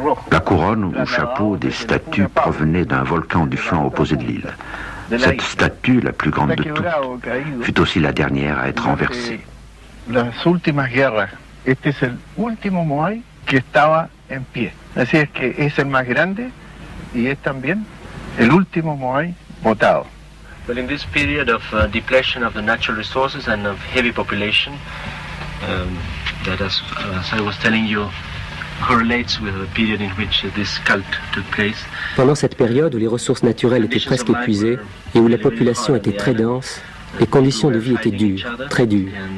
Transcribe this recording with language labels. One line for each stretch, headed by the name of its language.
French: La couronne ou chapeau des statues provenait d'un volcan du flanc opposé de l'île. Cette statue, la plus grande de toutes, fut aussi la dernière à être renversée.
Spanish: Las últimas guerras. Este es el último Moai que estaba en pie. Así es que es el más grande y es también el último Moai botado.
English: Well, in this period of depletion of the natural resources and of heavy population, that as I was telling you, correlates with the period in which this cult took place.
French: Pendant cette période où les ressources naturelles étaient presque épuisées et où la population était très dense, les conditions de vie étaient dures, très dures.